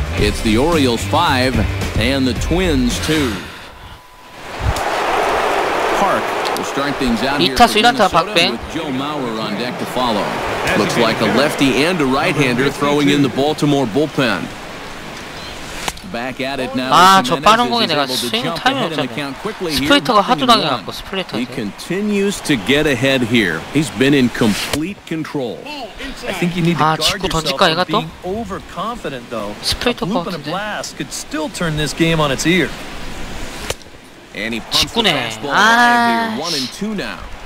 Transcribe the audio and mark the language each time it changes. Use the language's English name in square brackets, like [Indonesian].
[English] It's the Orioles 5 and the Twins 2. Park will start things out here for Minnesota with Joe Mauer on deck to follow. Looks like a lefty and a right-hander throwing in the Baltimore bullpen. Back at it now. [Korean] 아, 저 빠른 공에 내가 스윙 타이밍을 잡았네. 스프리터가 하도 당해갖고 스프리터. [English] He continues to get ahead here. He's been in complete control. I think you need to guard yourself from being overconfident, though. Spritter bomb and blast could still turn this game on its ear. And he pumps the fastball right here. One and two now.